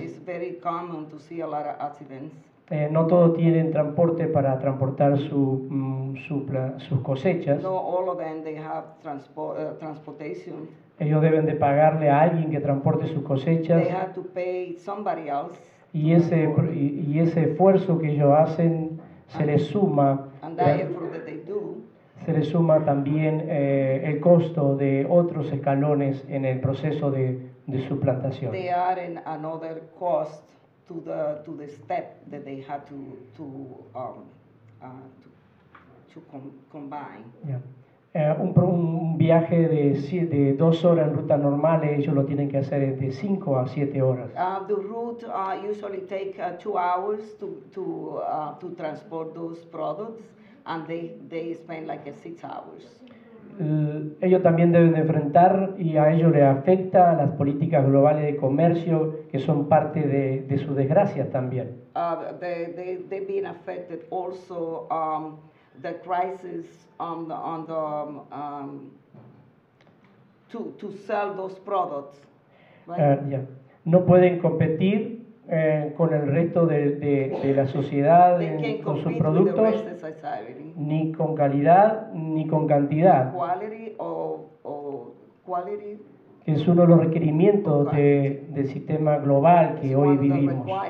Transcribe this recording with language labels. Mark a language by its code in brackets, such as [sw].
[en] It's very common to see a lot of accidents. [es] No todos tienen transporte para transportar sus cosechas. [en] No all of them they have transportation. [es] Ellos deben de pagarle a alguien que transporte sus cosechas. [en] They have to pay somebody else. [es] Y ese esfuerzo que ellos hacen se les suma. [en] And that effort that they do. [es] Se les suma también el costo de otros escalones en el proceso de su plantación. [en] They are in another cost to the step that they had to combine. Yeah. [es] Un viaje de 2 horas en ruta normal, ellos lo tienen que hacer de 5 a 7 horas. [en] The route usually take 2 hours to transport those products, and they spend like 6 hours. [es] Ellos también deben de enfrentar, y a ellos les afecta las políticas globales de comercio, que son parte de su desgracia también. [en] They've been affected also the crisis to sell those products, right? Yeah. [es] No pueden competir con el resto de la sociedad con sus productos, ni con calidad ni con cantidad. [en] Quality, [es] que es uno de los requerimientos del sistema global que hoy vivimos.